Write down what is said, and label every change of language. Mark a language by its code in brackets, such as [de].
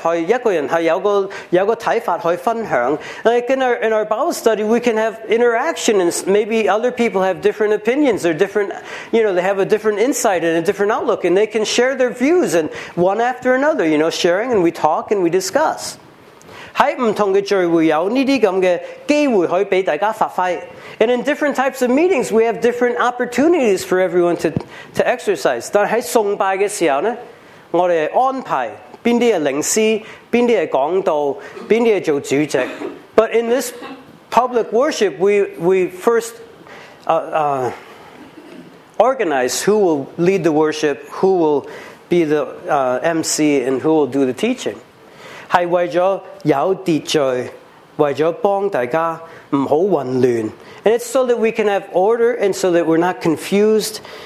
[yue] 好似我们查经班，我们是很自由，可以问问题，可以互相互动的，可以倾下偈，可以一个人系有个睇法，可以分享。 [en] Like in our Bible study, we can have interactions. Maybe other people have different opinions or different, you know, they have a different insight and a different outlook, and they can share their views and one after another, you know, sharing, and we talk and we discuss. [yue] 喺唔同嘅聚会有呢啲咁嘅机会可以俾大家发挥。 [en] And in different types of meetings, we have different opportunities for everyone to exercise. [yue] 但喺崇拜嘅时候呢，我哋安排边啲系灵师，边啲系讲道，边啲系做主席。 [en] But in this public worship, we first organize who will lead the worship, who will be the MC, and who will do the teaching. [yue] 系为咗有秩序，为咗帮大家唔好混乱。 [en] And it's so that we can have order and so that we're not confused.